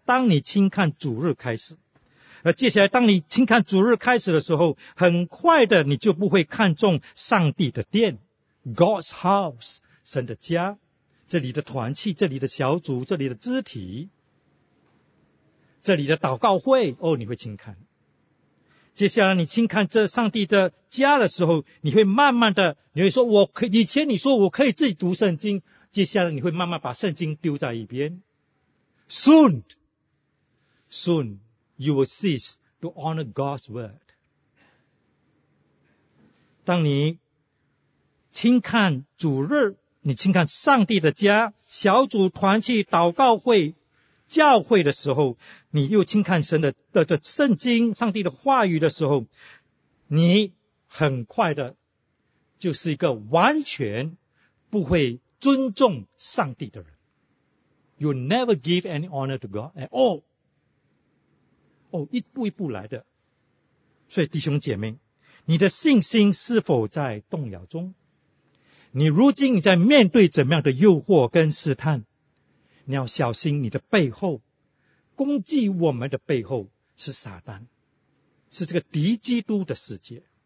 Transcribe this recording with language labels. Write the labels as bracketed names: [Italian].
[Chinese] 当你轻看主日开始。而接下来当你轻看主日开始的时候，很快的你就不会看重上帝的殿， God's house， 神的家，这里的团契，这里的小组，这里的肢体，这里的祷告会，哦，你会轻看。接下来你轻看这上帝的家的时候，你会慢慢的，你会说我可以，以前你说我可以自己读圣经，接下来你会慢慢把圣经丢在一边。 [English] Soon, you will cease to honor God's word. [Chinese] 当你轻看主日，你轻看上帝的家、小组团契、祷告会，教会的时候，你又轻看神的圣经、上帝的话语的时候，你很快的就是一个完全不会尊重上帝的人。 [English] You never give any honor to God at all. [Chinese] 一步一步来的。所以弟兄姐妹，你的信心是否在动摇中？你如今你在面对怎么样的诱惑跟试探？你要小心你的背后，攻击我们的背后是撒旦，是这个敌基督的世界。